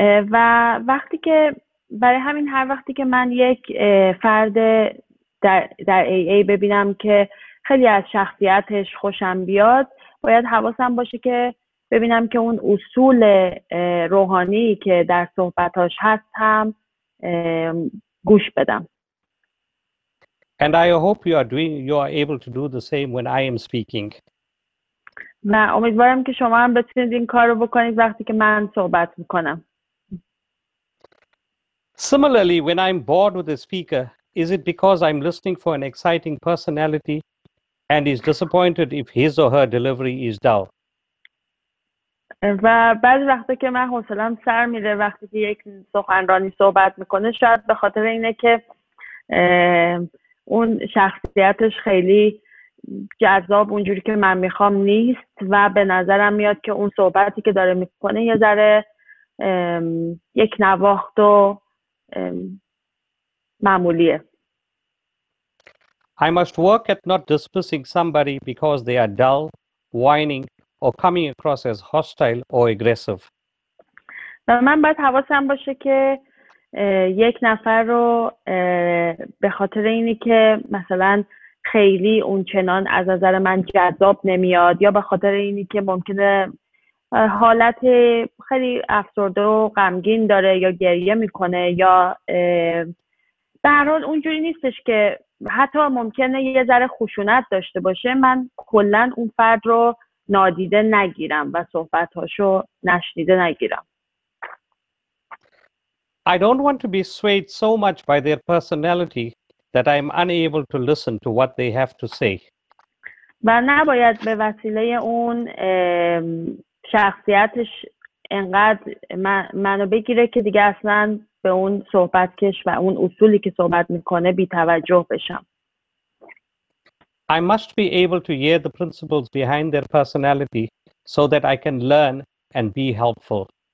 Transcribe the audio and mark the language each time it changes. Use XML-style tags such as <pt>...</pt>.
<fa>و وقتی که برای همین هر وقتی که من یک فرد در AA ببینم که خیلی از شخصیتش خوشم بیاد، باید حواسم باشه که ببینم که اون اصول روحانی که در صحبتاش هستم گوش بدم.</fa> <en>And I hope you are able to do the same when I am speaking.</en> <fa>و امیدوارم که شما هم بتونید این کار رو بکنید وقتی که من صحبت میکنم.</fa> <en>Similarly, when I'm bored with a speaker, is it because I'm listening for an exciting personality and is disappointed if his or her delivery is dull?</en> <fa>و بعضی وقتا که من حوصله‌ام سر میره وقتی که یک سخنرانی صحبت میکنه، شاید به خاطر اینه که اون شخصیتش خیلی جذاب اونجوری که من میخوام نیست و به نظرم میاد که اون صحبتی که داره میکنه یه ذره یک نواخت و معمولیه.</fa> <en>I must work at not dismissing somebody because they are dull, whining, or coming across as hostile or aggressive.</en> <fa>و من باید حواسم باشه که یک نفر رو به خاطر اینی که مثلا خیلی اونچنان از نظر من جذاب نمیاد یا به خاطر اینی که ممکنه حالت خیلی افسرده و غمگین داره یا گریه میکنه یا به هر حال اونجوری نیستش که حتی ممکنه یه ذره خشونت داشته باشه، من کلن اون فرد رو نادیده نگیرم و صحبتاشو نشنیده نگیرم.</fa> <en>I don't want to be swayed so much by their personality that I am unable to listen to what they have to say.</en> <fa>و نباید به وسیله اون شخصیتش انقدر منو بگیره که دیگه اصلا به اون صحبتش و اون اصولی که صحبت میکنه بی توجه بشم.</fa> <en>I must be able to hear the principles behind their personality so that I can learn and be helpful.</en>